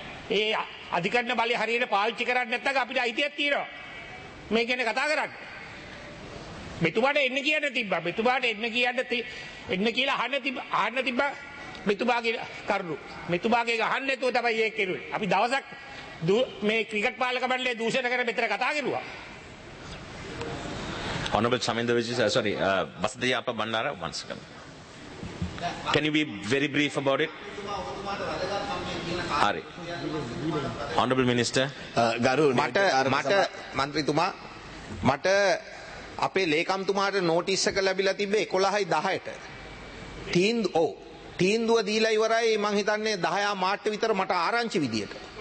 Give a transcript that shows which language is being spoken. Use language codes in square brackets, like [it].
[si] ඒ අධිකරණ බලය හරියට පාවිච්චි කරන්නේ නැත්නම් අපිට අයිතියක් තියෙනවා. මේ ගැන කතා කරන්න. මෙතුමාට එන්න කියන්න තිබ්බා. මෙතුමාට එන්න කියන්න එන්න කියලා අහන්න තිබ්බා. මෙතුමාගේ කරුණු. මෙතුමාගේ අහන්න නැතුව තමයි ඒක කෙරුවේ. අපි දවසක් මේ ක්‍රිකට් පාලක මණ්ඩලයේ දූෂණය කර මෙතන කතා කරුවා. [en] Honorable Saminda Vijay, sorry, Basadeya Appa Bandara, once again. Can you be very brief about it? [si] හරි. [en] Honorable Minister. [si] ගරු මට මන්ත්‍රීතුමා මට අපේ ලේකම්තුමාට නෝටිස් එක ලැබිලා තිබ්බේ 11:10ට. තීන්දුව දීලා ඉවරයි මං හිතන්නේ 10 මාට විතර මට ආරංචි විදියට.